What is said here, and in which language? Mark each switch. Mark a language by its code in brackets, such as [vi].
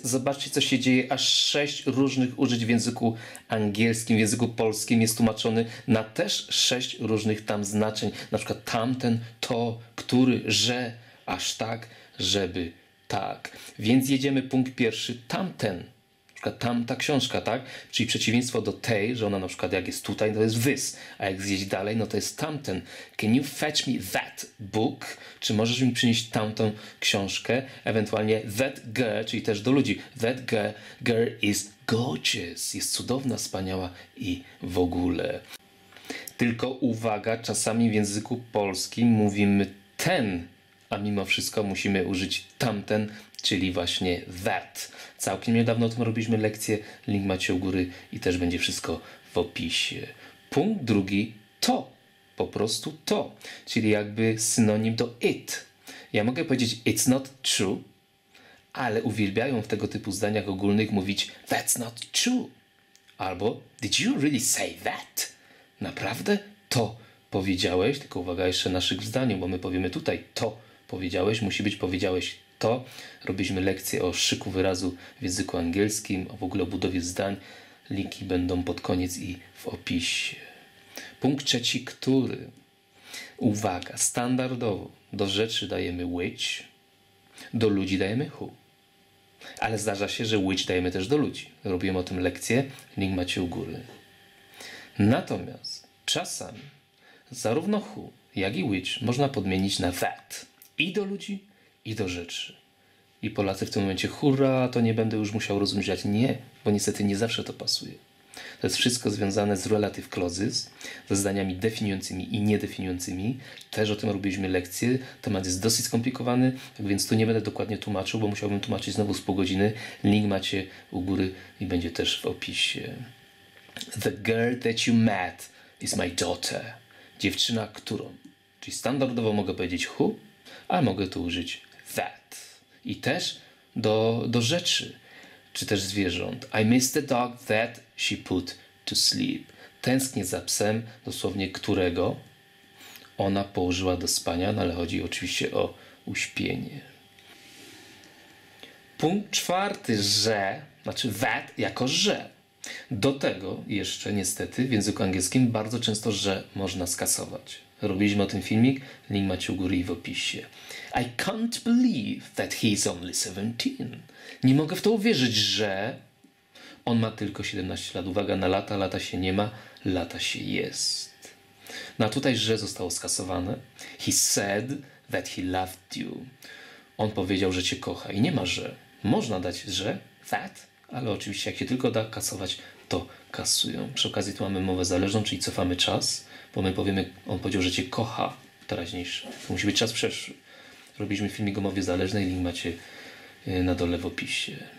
[pl] Zobaczcie, co się dzieje. Aż 6 różnych użyć w języku angielskim, w języku polskim jest tłumaczony na też 6 różnych tam znaczeń. Na przykład tamten, to, który, że, aż tak, żeby, tak. Więc jedziemy, punkt pierwszy, tamten. Na przykład tamta książka, tak? Czyli przeciwieństwo do tej, że ona na przykład jak jest tutaj, to jest this. A jak zjeść dalej, no to jest tamten. [en] Can you fetch me that book? [pl] Czy możesz mi przynieść tamtą książkę? Ewentualnie [en] that girl, [pl] czyli też do ludzi. [en] That girl is gorgeous. [pl] Jest cudowna, wspaniała i w ogóle. Tylko uwaga, czasami w języku polskim mówimy ten, a mimo wszystko musimy użyć tamten, czyli właśnie that. Całkiem niedawno o tym robiliśmy lekcję, link macie u góry i też będzie wszystko w opisie. Punkt drugi to, po prostu to, czyli jakby synonim do it. Ja mogę powiedzieć [en] it's not true, [pl] ale uwielbiają w tego typu zdaniach ogólnych mówić [en] that's not true. [pl] Albo [en] did you really say that? [pl] Naprawdę to powiedziałeś, tylko uwaga jeszcze naszych zdaniu, bo my powiemy tutaj to powiedziałeś, musi być powiedziałeś to. Robiliśmy lekcję o szyku wyrazu w języku angielskim, a w ogóle o budowie zdań. Linki będą pod koniec i w opisie. Punkt trzeci, który. Uwaga, standardowo do rzeczy dajemy which, do ludzi dajemy who. Ale zdarza się, że which dajemy też do ludzi. Robiłem o tym lekcję, link macie u góry. Natomiast czasami zarówno who, jak i which można podmienić na that. I do ludzi, i do rzeczy. I Polacy w tym momencie, hurra, to nie będę już musiał rozumieć. Nie, bo niestety nie zawsze to pasuje. To jest wszystko związane z relative clauses, ze zdaniami definiującymi i niedefiniującymi. Też o tym robiliśmy lekcje. Temat jest dosyć skomplikowany, więc tu nie będę dokładnie tłumaczył, bo musiałbym tłumaczyć znowu z pół godziny. Link macie u góry i będzie też w opisie. [en] The girl that you met is my daughter. [pl] Dziewczyna, którą. Czyli standardowo mogę powiedzieć who, a mogę tu użyć that. I też do rzeczy, czy też zwierząt. [en] I miss the dog that she put to sleep. [pl] Tęsknię za psem, dosłownie którego ona położyła do spania, no ale chodzi oczywiście o uśpienie. Punkt czwarty, że, znaczy that jako że. Do tego jeszcze niestety w języku angielskim bardzo często że można skasować. Robiliśmy o tym filmik, link macie u góry i w opisie. [en] I can't believe that he's only 17. [pl] Nie mogę w to uwierzyć, że on ma tylko 17 lat. Uwaga na lata, lata się nie ma, lata się jest. No a tutaj że zostało skasowane. [en] He said that he loved you. [pl] On powiedział, że cię kocha i nie ma że. Można dać że, that, ale oczywiście jak się tylko da kasować, to kasują. Przy okazji tu mamy mowę zależną, czyli cofamy czas, bo my powiemy, on powiedział, że cię kocha w teraźniejszym. To musi być czas przeszły. Robiliśmy filmik o mowie zależnej, link macie na dole w opisie.